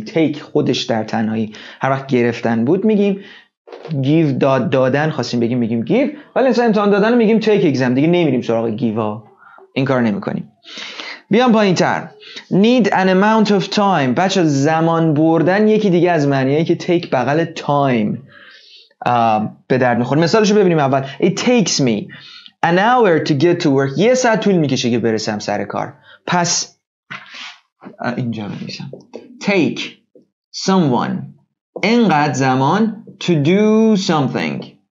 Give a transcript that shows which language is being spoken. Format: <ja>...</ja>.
<fa>تیک خودش در تنهایی هر وقت گرفتن بود میگیم، گیو دادن خواستیم بگیم میگیم گیو. ولی مثلا امتحان دادن میگیم تیک اگزم دیگه، نمیریم سراغ گیوا، این کار نمی کنیم. بیام پایین تر.</fa> <en>Need an amount of time.</en> <fa>بچه زمان بردن یکی دیگه از معنیه که تیک بغل تایم به درد میخور. مثالشو ببینیم.</fa> <en>اول It takes me an hour to get to work.</en> <fa>یه ساعت طول میکشه که برسم سر کار. پس اینجا بنویسم Take someone انقدر زمان</fa> <en>to do something.</en>